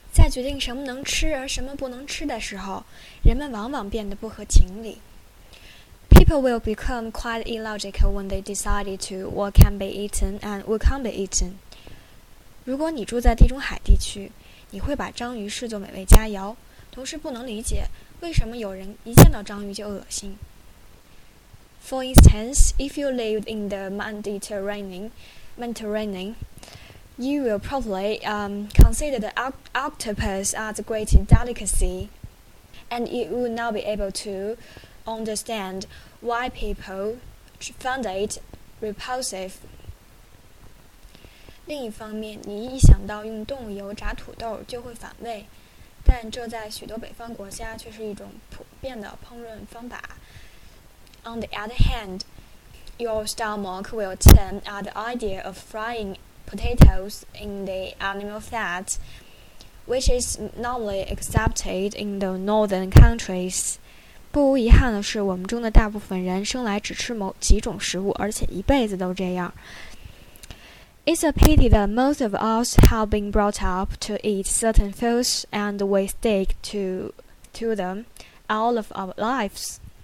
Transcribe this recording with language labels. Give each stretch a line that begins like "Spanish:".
Chinese: 决定什么能吃而什么不能吃的时候，人们往往变得不合情理。
English: People will become quite illogical when they decide to what can be eaten and what can't be eaten.
Chinese: 如果你住在地中海地区，你会把章鱼视作美味佳肴，同时不能理解为什么有人一见到章鱼就恶心。
English: For instance, if you live in the Mediterranean, you will probably consider the octopus as a great delicacy, and you will not be able to understand why people found it repulsive.
Chinese: 另一方面，你一想到用动物油炸土豆就会反胃，但这在许多北方国家却是一种普遍的烹饪方法。
English: On the other hand, your stomach will turn at the idea of frying potatoes in the animal fat, which is normally accepted in the northern countries.
Chinese: 不无遗憾的是，我们中的大部分人生来只吃某几种食物，而且一辈子都这样。
English: It's a pity that most of us have been brought up to eat certain foods and we stick to them all of our lives.